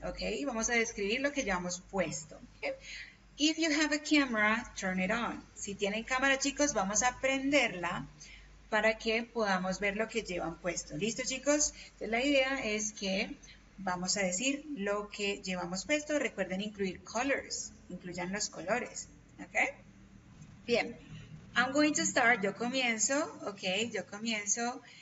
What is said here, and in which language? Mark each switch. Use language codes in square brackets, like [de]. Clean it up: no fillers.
[es] Okay, vamos a describir lo que llevamos puesto. Okay? [en] If you have a camera, turn it on. [es] Si tienen cámara, chicos, vamos a prenderla para que podamos ver lo que llevan puesto. ¿Listo, chicos? Entonces, la idea es que vamos a decir lo que llevamos puesto. Recuerden incluir colors. Incluyan los colores. ¿Ok? Bien. [en] I'm going to start. [es] Yo comienzo. ¿Ok? Yo comienzo.